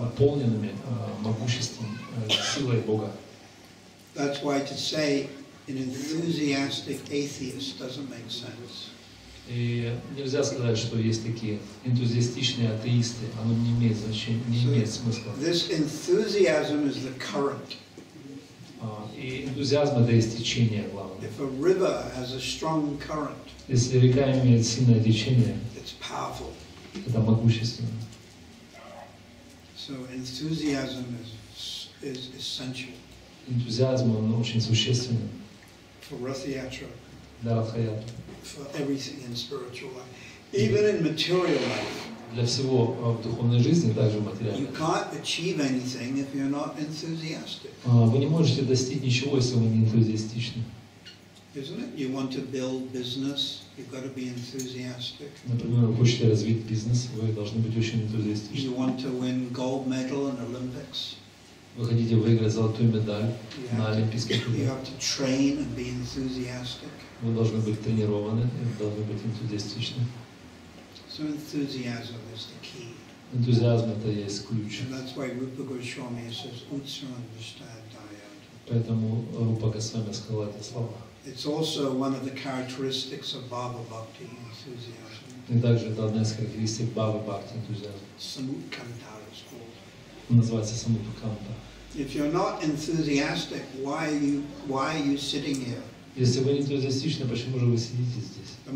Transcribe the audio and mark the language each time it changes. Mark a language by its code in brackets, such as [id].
[ru] Наполненными могуществом, силой Бога. [en] That's why to say an enthusiastic atheist doesn't make sense. [ru] И нельзя сказать, что есть такие энтузиастичные атеисты, оно не имеет значения, не имеет смысла. [en] This enthusiasm is the current. [ru] И энтузиазм это есть течение главное. [en] If a river has a strong current, [ru] если река имеет сильное течение, [en] it's powerful. [ru] Это могущественно. [en] So enthusiasm is essential. [ru] Энтузиазм он очень существенный. [en] For Radhayatra. [ru] Для Радхаятры. [en] For everything in spiritual life, even in material life. [ru] Для всего в духовной жизни, также в материальной. [en] You can't achieve anything if you're not enthusiastic. [ru] Вы не можете достичь ничего, если вы не энтузиастичны. [en] Isn't it? You want to build business, you've got to be enthusiastic. [ru] Например, вы хотите развить бизнес, вы должны быть очень энтузиастичны. [en] You want to win gold medal in Olympics. [ru] Вы хотите выиграть золотую медаль на Олимпийских играх. [en] You have to train and be enthusiastic. [ru] Вы должны быть тренированы, вы должны быть энтузиастичны. [en] So enthusiasm is the key. [ru] Энтузиазм это и есть ключ. [en] And that's why Rupa Goswami says, [sa] "Utsahan nishtayat tayat." [ru] Поэтому Рупа Госвами сказал это слово. [en] It's also one of the characteristics of Bhava Bhakti enthusiasm. [ru] И также это одна из характеристик Бхава Бхакти энтузиазм. [en] Samutkantara is called. [uk] називається самопроканта. [en] If you're not enthusiastic, why are you sitting here? [uk] Якщо ви не ентузіастичні, чому ж ви сидите тут?